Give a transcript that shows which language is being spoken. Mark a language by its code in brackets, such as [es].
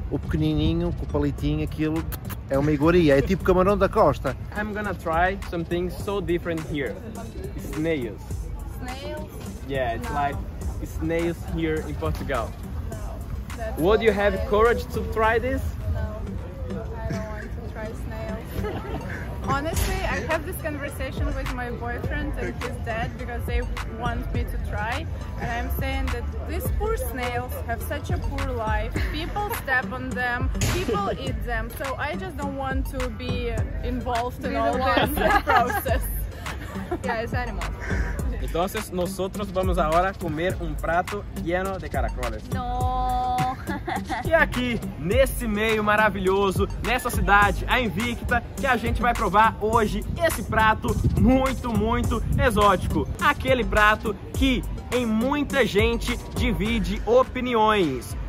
[pt] O pequenininho, com o palitinho, aquilo, é uma iguaria, é tipo camarão da costa. [en] I'm gonna try something so different here. Snails. Snails? Yeah, it's like snails here in Portugal. No. That's would you have courage to try this? No, I don't want to try snails. Honestly, I have this conversation with my boyfriend and his dad because they want me to try, and I'm saying that these poor snails have such a poor life. People step on them, people eat them, so I just don't want to be involved in all this process. Yeah, it's animals. [es] Entonces nosotros vamos ahora a comer un plato lleno de caracoles. No. [pt] E aqui, nesse meio maravilhoso, nessa cidade, a Invicta, que a gente vai provar hoje esse prato muito, muito exótico. Aquele prato que em muita gente divide opiniões.